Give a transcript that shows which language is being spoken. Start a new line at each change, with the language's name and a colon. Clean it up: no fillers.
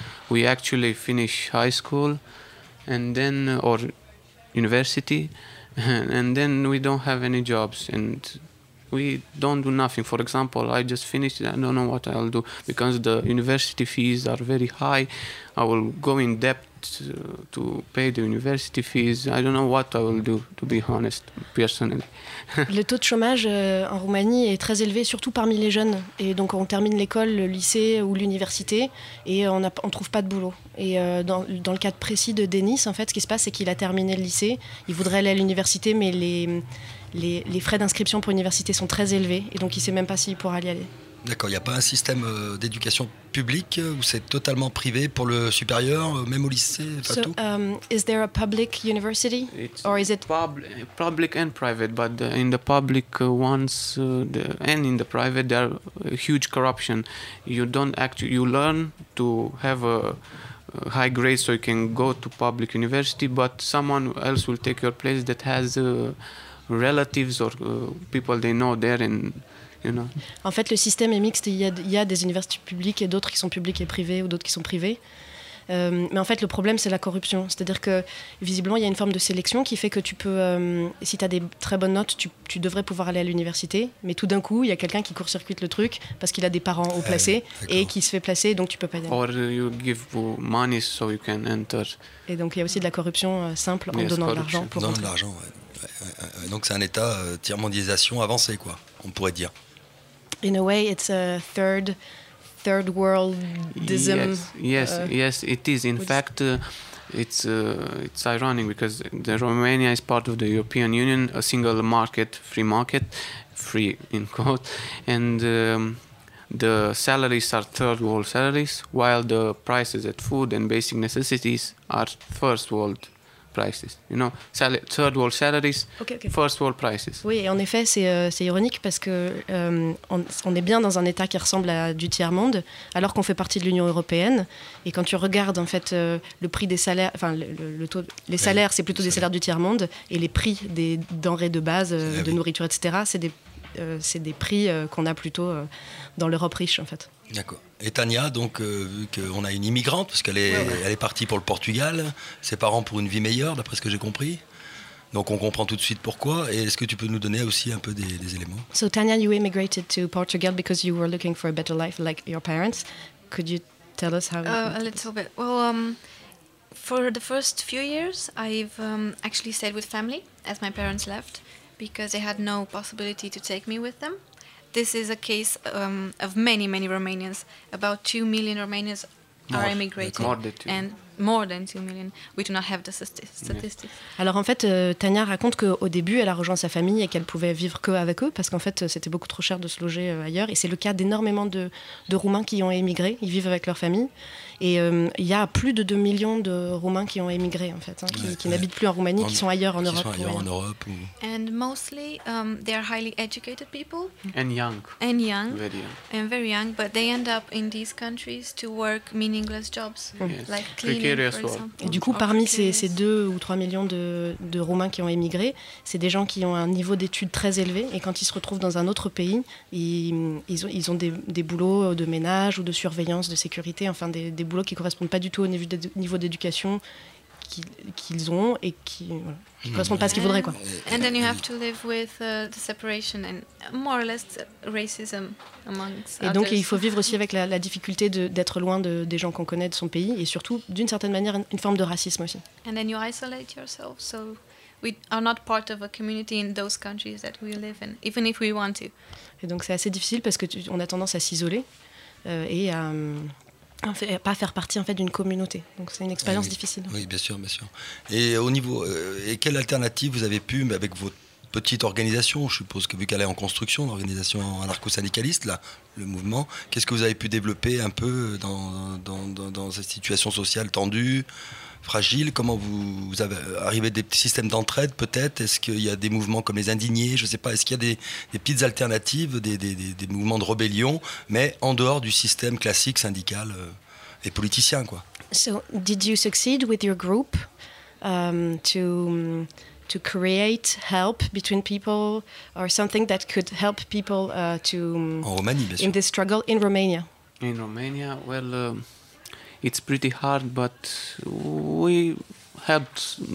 English: We actually finish high school and then or university, and then we don't have any jobs and we don't do nothing. For example, I just finished, I don't know what I'll do because the university fees are very high. I will go in debt to pay the university fees. I don't know what I will do, to be honest, personally.
French: Le taux de chômage en Roumanie est très élevé, surtout parmi les jeunes. Et donc on termine l'école, le lycée ou l'université et on ne trouve pas de boulot. Et dans le cas précis de Denis, en fait, ce qui se passe, c'est qu'il a terminé le lycée. Il voudrait aller à l'université, mais les frais d'inscription pour l'université sont très élevés et donc il ne sait même pas s'il pourra y aller. D'accord, il n'y a pas un système d'éducation publique où c'est totalement privé pour le supérieur, même au lycée, pas
English: so,
French: tout.
English: Is there a public university it's or is it public and private? But in the public ones and in the private, there are huge corruption. You don't actually you learn to have a high grade so you can go to public university, but someone else will take your place that has relatives or people they know there and you know.
French: En fait, le système est mixte. Il y a des universités publiques et d'autres qui sont publiques et privées ou d'autres qui sont privées. Mais en fait, le problème, c'est la corruption. C'est-à-dire que, visiblement, il y a une forme de sélection qui fait que tu peux, si tu as des très bonnes notes, tu devrais pouvoir aller à l'université. Mais tout d'un coup, il y a quelqu'un qui court-circuite le truc parce qu'il a des parents haut placés et qui se fait placer, donc tu peux pas y aller.
English: Or you give money so you can enter.
French: Et donc, il y a aussi de la corruption simple en donnant de l'argent pour rentrer. Donc c'est un état tiers-mondisation avancé, quoi, on pourrait dire.
English: In a way, it's a third worldism. Yes, it is. In fact, it's ironic because the Romania is part of the European Union, a single market, free in quote, and the salaries are third world salaries, while the prices at food and basic necessities are first world. Prices, you know, third world salaries, okay. First world prices.
French: Oui, et en effet, c'est ironique parce que on est bien dans un état qui ressemble à du tiers monde, alors qu'on fait partie de l'Union européenne. Et quand tu regardes en fait le prix des salaires, enfin le taux, les salaires, c'est plutôt des salaires du tiers monde, et les prix des denrées de base, de nourriture, etc. C'est des prix qu'on a plutôt dans l'Europe riche, en fait. D'accord. Et Tania, donc, vu qu'on a une immigrante, parce qu'elle est, elle est partie pour le Portugal, ses parents pour une vie meilleure, d'après ce que j'ai compris. Donc, on comprend tout de suite pourquoi. Et est-ce que tu peux nous donner aussi un peu des éléments?
English: So, Tania, you immigrated to Portugal because you were looking for a better life like your parents. Could you tell us how... A little bit. Well, for the first few years, I've actually stayed with family as my parents left because they had no possibility to take me with them. This is a case of many, many Romanians. About 2 million Romanians are immigrating. More than 2 million. We do not have the statistics.
French: Alors en fait, Tania raconte qu'au début, elle a rejoint sa famille et qu'elle pouvait vivre qu'avec eux parce qu'en fait, c'était beaucoup trop cher de se loger ailleurs. Et c'est le cas d'énormément de Roumains qui ont émigré. Ils vivent avec leur famille. Et il y a plus de 2 millions de Roumains qui ont émigré, en fait, qui n'habitent plus en Roumanie, qui sont ailleurs en Europe. Qui sont ailleurs en Europe.
English: And mostly, they are highly educated people. And young. Very young. And very young, but they end up in these countries to work meaningless jobs, like cleaning, for example.
French: Et du coup, parmi ces 2 ou 3 millions de Roumains qui ont émigré, c'est des gens qui ont un niveau d'études très élevé, et quand ils se retrouvent dans un autre pays, ils ont des boulots de ménage ou de surveillance, de sécurité, enfin des boulots qui ne correspondent pas du tout au niveau d'éducation qu'ils ont et qui ne correspondent pas à ce qu'ils voudraient. Quoi.
English: And then you have to live with the separation and more or less racism amongst others.
French: Et donc il faut vivre aussi avec la difficulté d'être loin des gens qu'on connaît, de son pays, et surtout d'une certaine manière une forme de racisme aussi.
English: And then you isolate yourself, so we are not part of a community in those countries that we live in, even if we want to.
French: Et donc c'est assez difficile parce qu'on a tendance à s'isoler et à... pas faire partie en fait d'une communauté, donc c'est une expérience difficile. Oui, bien sûr. Et au niveau, et quelle alternative vous avez pu, mais avec votre petite organisation, je suppose que vu qu'elle est en construction, l'organisation anarcho-syndicaliste là, le mouvement, qu'est-ce que vous avez pu développer un peu dans cette situation sociale tendue, fragile? Comment vous avez arrivé des petits systèmes d'entraide peut-être? Est-ce qu'il y a des mouvements comme les indignés? Je ne sais pas. Est-ce qu'il y a des petites alternatives, des mouvements de rébellion, mais en dehors du système classique syndical et politicien, quoi?
English: So did you succeed with your group to create help between people or something that could help people to
French: en Romanie, bien sûr.
English: In this struggle in Romania? In Romania, well, it's pretty hard, but we helped.